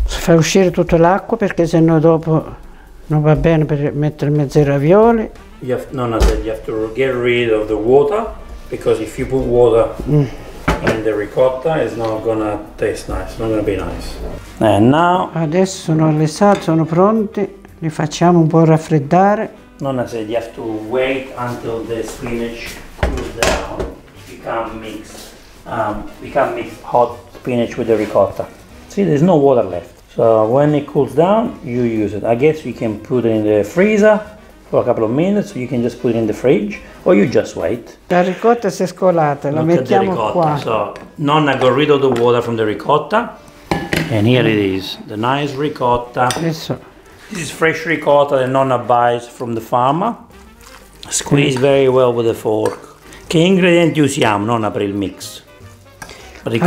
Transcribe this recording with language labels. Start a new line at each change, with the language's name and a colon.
Italian: Fai uscire tutta l'acqua perché sennò dopo non va bene per mettere mezzo ravioli.
English: Nonna said you have to get rid of the water because if you put water in the ricotta, it's not gonna taste nice. It's not gonna be nice. And now,
Italian: adesso sono lessati, sono pronti, li facciamo un po' raffreddare.
English: Nonna said you have to wait until the spinach cools down, become mix hot spinach with the ricotta. See, there's no water left, so when it cools down you use it. I guess you can put it in the freezer for a couple of minutes, you can just put it in the fridge or you just wait.
Italian: La ricotta si è scolata, la mettiamo qua.
English: So nonna got rid of the water from the ricotta. And here it is, the nice ricotta. Yes, this is fresh ricotta that nonna buys from the farmer. Squeeze very well with a fork.
Italian: Che ingredienti usiamo, nonna, per il mix? Ricotta.